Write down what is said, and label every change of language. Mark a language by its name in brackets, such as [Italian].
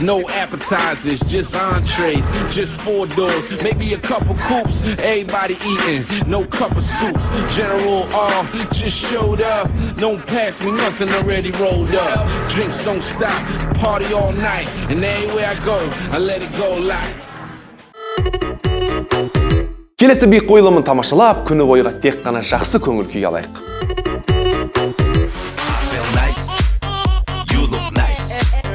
[English] No appetizers, just entrees. Just four doors, maybe a couple coupes. Everybody eating, no cup of soups. General R, just showed up. Don't pass me nothing, already rolled up. Drinks don't stop, party all night. And anywhere I go, I let it go like. [Kazakh] Келесі би қойылымын тамашалап, күні бойы тек қана жақсы көңіл күй алайық. [English] I feel nice, you look nice.